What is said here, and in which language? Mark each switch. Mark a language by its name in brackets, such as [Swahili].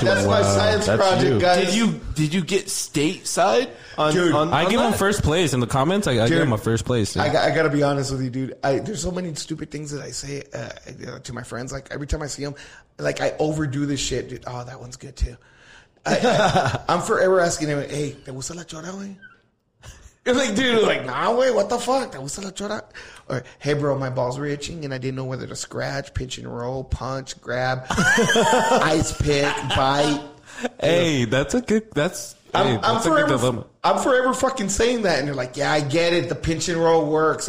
[English] That's my science project, you. Guys. Did you get stateside? I give him first place in the comments. I got to be honest with you, dude. There's so many stupid things that I say to my friends. Like, every time I see them, like, I overdo this shit. Dude, oh, that one's good, too. I'm forever asking him, hey, [Spanish] ¿te gusta la chora, güey? [English] Like, dude, like, nah, wait, what the fuck? That was a chora. Or, hey, bro, my balls were itching, and I didn't know whether to scratch, pinch and roll, punch, grab, ice pick, bite. Hey, dude. I'm forever fucking saying that, and they're like, yeah, I get it. The pinch and roll works.